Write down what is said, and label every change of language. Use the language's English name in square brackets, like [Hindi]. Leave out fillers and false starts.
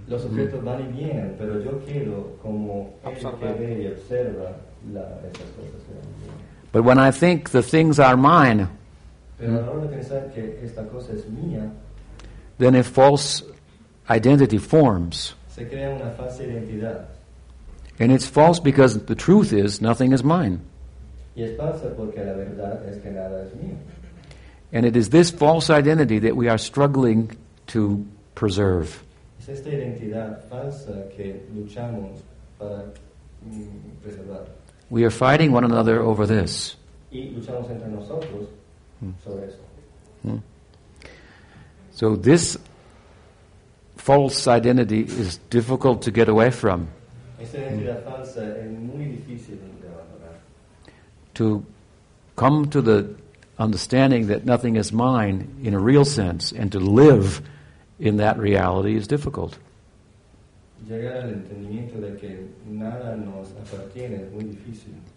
[Spanish] Los objetos van y vienen, pero yo quiero como observar y observar esas cosas. [English] But when I think the things are mine, then a false identity forms. [Spanish] Se crea una falsa identidad. [English] And it's false because the truth is nothing is mine. [Spanish] Y es falsa porque la verdad es que nada es mío. [English] And it is this false identity that we are struggling to preserve. [Spanish] Es esta identidad falsa que luchamos para preservar. [English] We are fighting one another over this. [Spanish] Y luchamos entre nosotros sobre eso. [English] So this false identity is difficult to get away from. [Spanish] Esta identidad falsa es muy difícil de abandonar. [English] To come to the understanding that nothing is mine in a real sense and to live in that reality is difficult. [Spanish] Llegar al entendimiento de que nada nos appartiene es muy difícil.